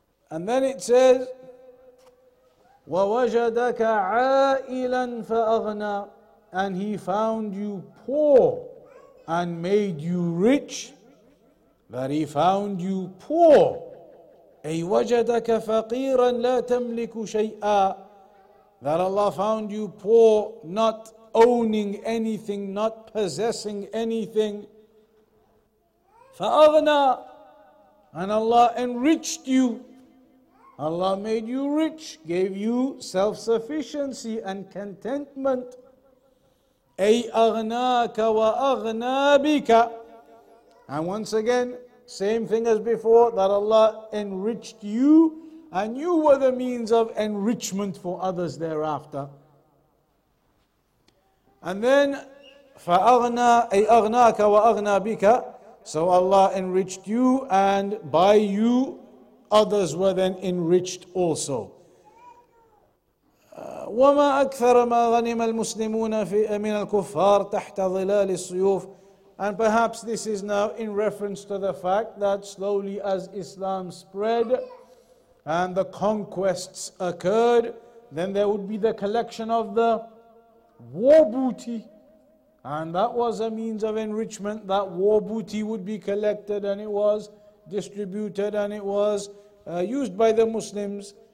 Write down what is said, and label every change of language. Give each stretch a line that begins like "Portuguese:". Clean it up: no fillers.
English: And then it says, وَوَجَدَكَ عَائِلًا فَأَغْنَى. And he found you poor and made you rich. That he found you poor.
Arabic: أي وَجَدَكَ فَقِيرًا لَا تَمْلِكُ شَيْئًا.
English: That Allah found you poor, not owning anything, not possessing anything. فَأَغْنَى. And Allah enriched you. Allah made you rich, gave you self-sufficiency and contentment.
Arabic: أي أغناك وأغنى بك.
English: And once again, same thing as before, that Allah enriched you and you were the means of enrichment for others thereafter.
Arabic: And then, فأغنى أي أغناك وأغنى بك.
English: So Allah enriched you and by you, others were then enriched also.
Arabic: وما أكثر ما غنم المسلمون في من الكفار تحت ظلال الصيوف.
English: And perhaps this is now in reference to the fact that slowly as Islam spread and the conquests occurred, then there would be the collection of the war booty. And that was a means of enrichment, that war booty would be collected and it was distributed and it was used by the Muslims.